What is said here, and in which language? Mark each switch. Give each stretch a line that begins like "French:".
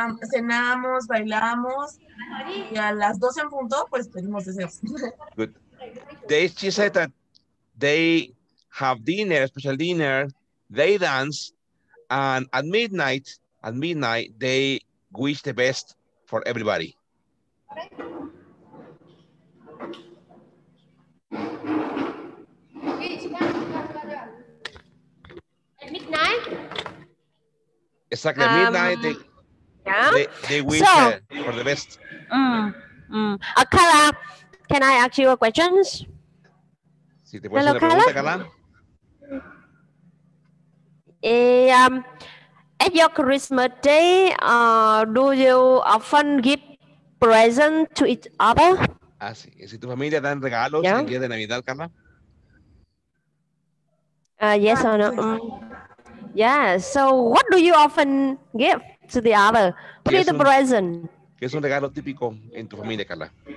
Spanish: Cenamos, bailamos, y a las 12 en punto, pues pedimos deseos.
English: Good. She said that they have dinner, special dinner, they dance, and at midnight, they wish the best for everybody. At midnight? Exactly, at midnight, they wish so, for the best. Carla, can I ask you a question? Si hello, Carla. At your Christmas day, do you often give presents to each other?
Spanish: Ah, sí. ¿Y si tu familia dan regalos en día de Navidad, Carla?
English: Yes or no? So what do you often give to the other? What is the present?
Spanish: ¿Qué es un regalo típico en tu familia, Carla?